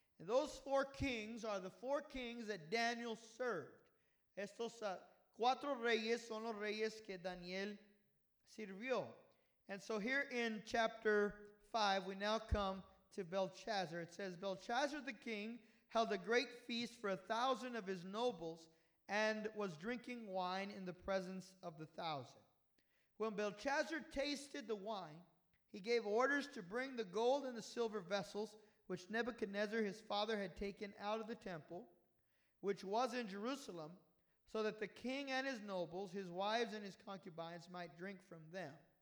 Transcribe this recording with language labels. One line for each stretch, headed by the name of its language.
English: And those four kings are the four kings that Daniel served.
Spanish: Estos cuatro reyes son los reyes que Daniel sirvió.
English: And so here in chapter 5, we now come to Belshazzar. It says, Belshazzar the king held a great feast for 1,000 of his nobles and was drinking wine in the presence of 1,000. When Belshazzar tasted the wine, he gave orders to bring the gold and the silver vessels which Nebuchadnezzar his father had taken out of the temple, which was in Jerusalem, so that the king and his nobles, his wives and his concubines, might drink from them.